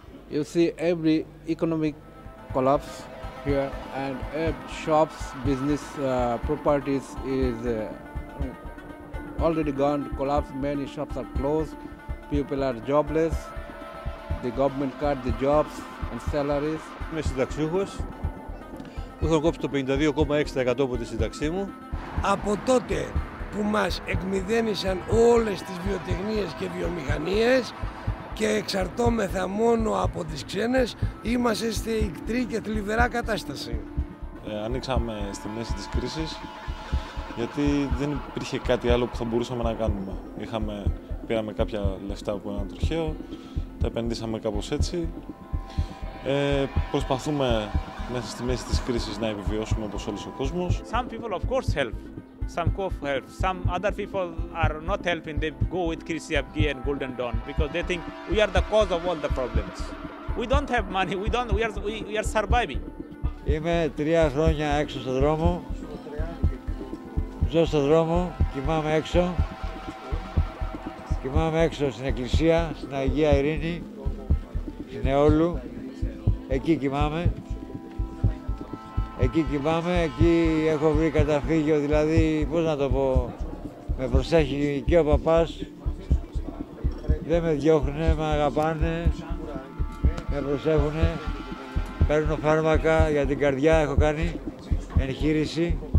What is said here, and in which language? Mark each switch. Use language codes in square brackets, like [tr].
[en] You see every economic collapse here and shops, business, properties is already gone, collapsed, many shops are closed, people are jobless, the government cut the jobs and salaries. [el] Είμαι συνταξιούχος, που έχω κόψει το 52,6% από τη σύνταξή μου. Από τότε που μας εκμηδένισαν όλες τις βιοτεχνίες και βιομηχανίες και εξαρτώμεθα μόνο από τις ξένες, είμαστε στη ικτρή και θλιβερά κατάσταση. Ανοίξαμε στη μέση της κρίσης, γιατί δεν υπήρχε κάτι άλλο που θα μπορούσαμε να κάνουμε. Πήραμε κάποια λεφτά από ένα τροχαίο, τα επενδύσαμε κάπως έτσι. Προσπαθούμε μέσα στη μέση της κρίσης να επιβιώσουμε όπως όλος ο κόσμος. [en] Some people of course help. Some co-help, some other people are not helping, they go with KCFG and Golden Dawn because they think we are the cause of all the problems. We don't have money, we are surviving. [el] Είμαι 3 χρόνια έξω στον δρόμο. Ζω στον δρόμο, κοιμάμαι έξω. Κοιμάμαι έξω στην εκκλησία, στην Αγία Ειρήνη, στην Αιώλου. Εκεί κοιμάμαι, εκεί έχω βρει καταφύγιο, δηλαδή, πώς να το πω, με προσέχει και ο παπάς, δεν με διώχνουνε, με αγαπάνε, με προσέχουνε, παίρνω φάρμακα για την καρδιά, έχω κάνει εγχείρηση.